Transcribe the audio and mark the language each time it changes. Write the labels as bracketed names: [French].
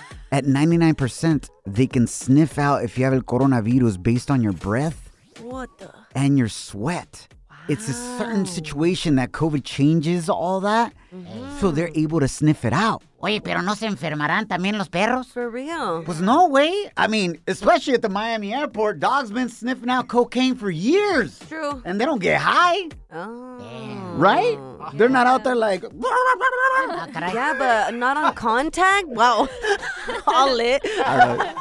[English] At 99%, they can sniff out if you have [Spanish] el coronavirus [English] based on your breath and your sweat. Wow. It's a certain situation that COVID changes all that, so they're able to sniff it out. [Spanish] Oye, pero no se enfermarán también los perros? [English] For real. [Spanish] Pues [English] no way. I mean, especially at the Miami airport, dogs been sniffing out cocaine for years. True. And they don't get high. Oh. Damn. Right? Yeah. They're not out there like. Yeah, but not on contact? Wow. All lit. All right.